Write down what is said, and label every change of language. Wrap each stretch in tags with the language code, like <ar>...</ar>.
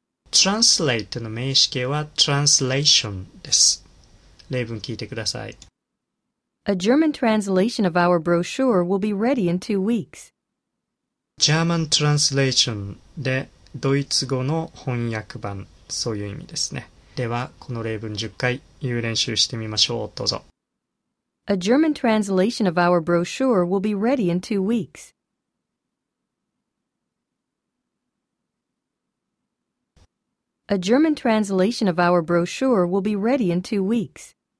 <ja>Translate の名詞形は translation です。例文聞いてください。</ja> <en>A German translation of our brochure will be ready in 2 weeks. German translation</en> <ja>でドイツ語の翻訳版、そういう意味ですね。ではこの例文10回言う練習してみましょう。どうぞ。</ja> <en>A German translation of our brochure will be ready in 2 weeks. A German translation of our brochure will be ready in 2 weeks.</en>